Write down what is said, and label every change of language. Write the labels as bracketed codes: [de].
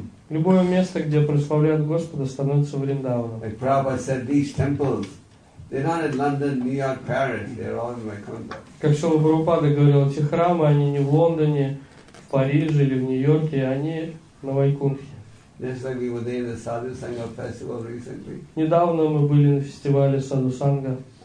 [ru] Любое место, где прославляют Господа, становится Вриндаваном. [en] Like Prabhupada said, these temples, they're not in London, New York, Paris, they're all in my contact. [ru] Как Шрила Прабхупада говорил, эти храмы, они не в Лондоне, в Париже или в Нью-Йорке, они на Вайкунхе. Недавно мы были на фестивале Садусанга.